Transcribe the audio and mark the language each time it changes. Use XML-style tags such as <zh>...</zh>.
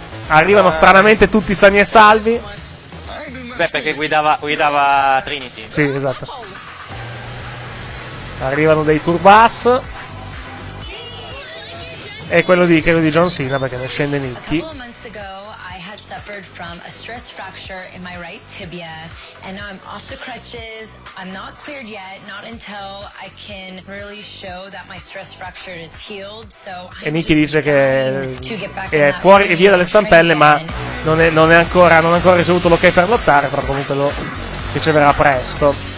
<it>Arrivano stranamente tutti sani e salvi. Beh, perché guidava Trinity. Sì, esatto. Arrivano dei Turbass. E quello di, credo, di John Cena, perché ne scende Nikki.</it> <en>Suffered from a stress fracture in my right tibia, and now I'm off the crutches. I'm not cleared yet, not until I can really show that my stress fracture is healed.</en> <it>So e Nikki dice che è fuori e via dalle stampelle, ma non ha ancora ricevuto l'ok per lottare, però comunque lo riceverà presto.</it>